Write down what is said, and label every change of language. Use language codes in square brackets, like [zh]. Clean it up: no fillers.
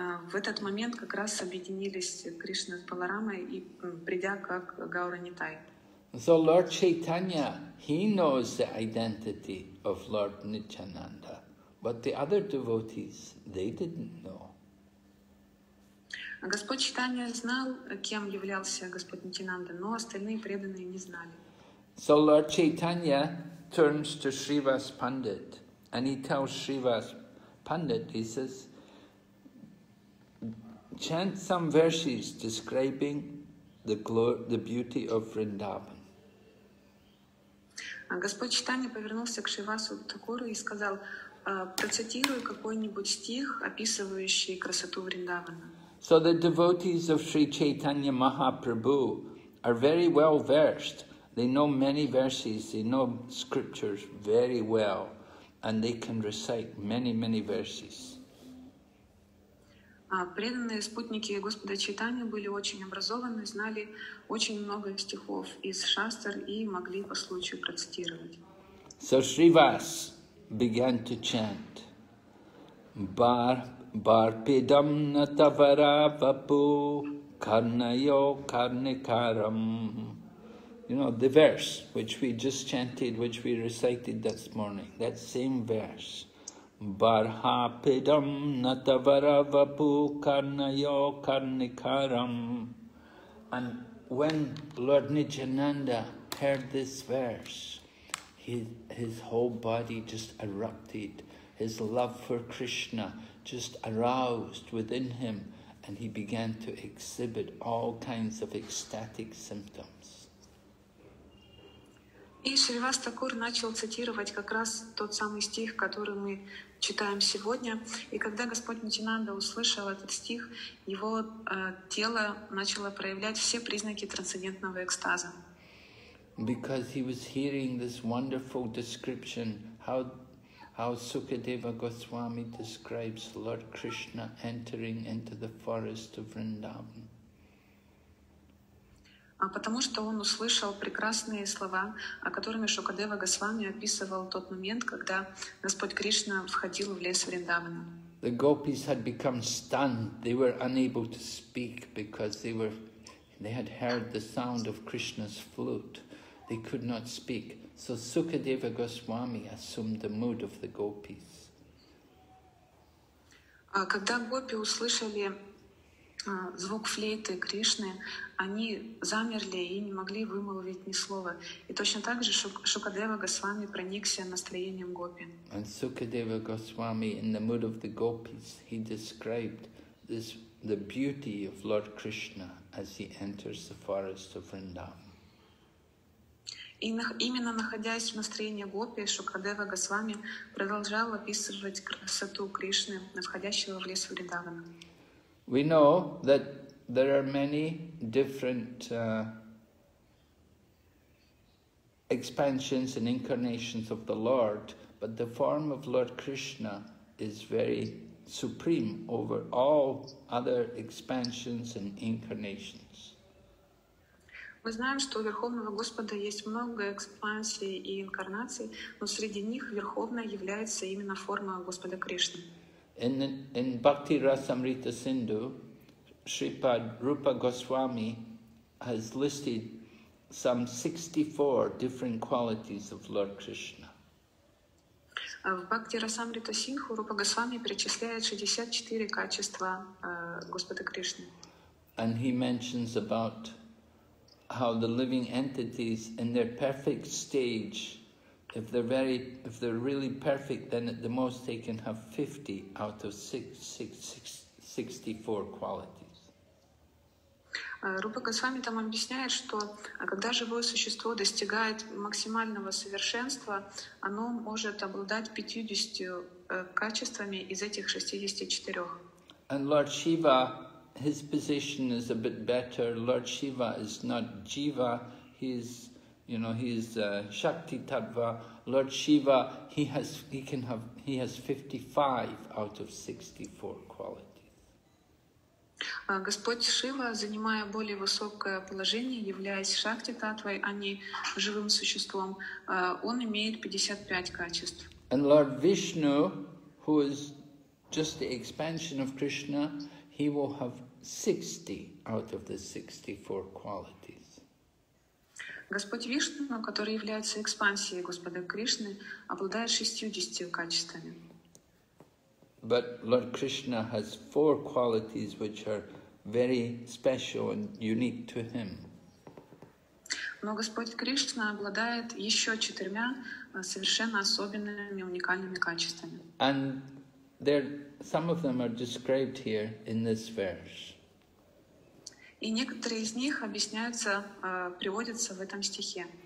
[ru] В этот момент как раз объединились Кришна с Баларамой и придя как Гаура Нитай. [en] So Lord Chaitanya, he knows the identity of Lord Nityananda, but the other devotees, they didn't know. [ru] Господь Читания знал, кем являлся Господь Нитинанда, но остальные преданные не знали. [en] So Lord Chaitanya turns to Shrivas Pandit, and he tells Shrivas Pandit, he says, chant some verses describing the beauty of Vrindavan. [ru] Господь Читания повернулся к Шривасу Такуру и сказал, процитируй какой-нибудь стих, описывающий красоту Вриндавана. [en] So the devotees of Sri Chaitanya Mahaprabhu are very well versed. They know many verses, they know scriptures very well, and they can recite many, many verses. [ru] Преданные спутники Господа Чайтаньи были очень образованы, знали очень много стихов из шастр и могли по случаю процитировать. [en] So Shrivas began to chant. [sa] Bar barpidam natavara vapu karnayo karnikaram. [en] You know, the verse which we just chanted, which we recited this morning, that same verse. [sa] Barhapidam natavaravapu karnayo karnikaram. [en] And when Lord Nityananda heard this verse, his whole body just erupted, his love for Krishna just aroused within him, and he began to exhibit all kinds of ecstatic symptoms. [ru] И Шривас Такур начал цитировать как раз тот самый стих, который мы читаем сегодня. И когда Господь Нитинанда услышал этот стих, его тело начало проявлять все признаки трансцендентного экстаза. [en] Because he was hearing this wonderful description, how Sukadeva Goswami describes Lord Krishna entering into the forest of Vrindavan. [ru] Потому что он услышал прекрасные слова, о которых Шукадева Госвами описывал тот момент, когда Господь Кришна входил в лес Вриндавана. [en] The gopis had become stunned. They were unable to speak because they had heard the sound of Krishna's flute. They could not speak. So Sukadeva Goswami assumed the mood of the gopis. [ru] Когда гопи услышали звук флейты Кришны, они замерли и не могли вымолвить ни слова. И точно так же Шукадева Госвами проникся настроением гопи. [en] And Sukadeva Goswami, in the mood of the gopis, he described this, the beauty of Lord Krishna as he enters the forest of Vrindavan. [ru] И именно находясь в настроении гопи, Шукадева Госвами продолжал описывать красоту Кришны, входящего в лес Вриндавана. [en] We know that there are many different expansions and incarnations of the Lord, but the form of Lord Krishna is very supreme over all other expansions and incarnations. [ru] Мы знаем, что у Верховного Господа есть много экспансий и инкарнаций, но среди них верховная является именно форма Господа Кришны. [en] In Bhakti Rasamrita Sindhu, Shripad Rupa Goswami has listed some 64 different qualities of Lord Krishna. [ru] В Бхакти Расамрита Синху Рупа Госвами перечисляет 64 качества Господа Кришны. [en] And he mentions about how the living entities in their perfect stage, if they're really perfect, then at the most they can have 50 out of 64 qualities. [ru] Рупа Госвами там объясняет, что когда живое существо достигает максимального совершенства, оно может обладать 50 качествами из этих 64. [en] And Lord Shiva, his position is a bit better. Lord Shiva is not Jiva, he's Shakti Tattva. Lord Shiva, he has 55 out of 64 qualities. [ru] Господь Шива, занимая более высокое положение, являясь шакти-татвой, а не живым существом, он имеет 55 качеств. [en] And Lord Vishnu, who is just the expansion of Krishna, he will have 60 out of the 64 qualities. [ru] Господь Вишну, который является экспансией Господа Кришны, обладает 60 качествами. [en] But Lord Krishna has four qualities which are very special and unique to him. [ru] Но Господь Кришна обладает еще четырьмя совершенно особенными уникальными качествами. [en] And there, some of them are described here in this verse. [ru] И некоторые из них объясняются, приводятся в этом стихе.